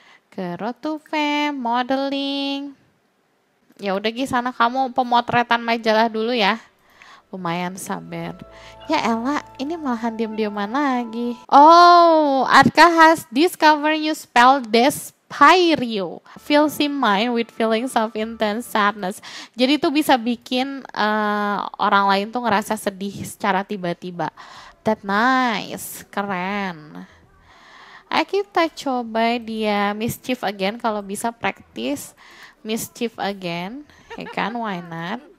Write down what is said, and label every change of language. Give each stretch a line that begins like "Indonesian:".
Indonesian: Ke Road to Fame, modeling. Ya udah Gi, sana kamu pemotretan majalah dulu ya. Lumayan Saber. Ya Ella, ini malahan diem-dieman lagi.
English: Oh, Arka has discovered new spell, Despair. inspire you, fills your mind with feelings of intense sadness.
Indonesian: Jadi itu bisa bikin orang lain tuh ngerasa sedih secara tiba-tiba.
English: That nice,
Indonesian: keren. Ayo kita coba dia mischief again, kalau bisa practice mischief again, ya kan,
English: why not?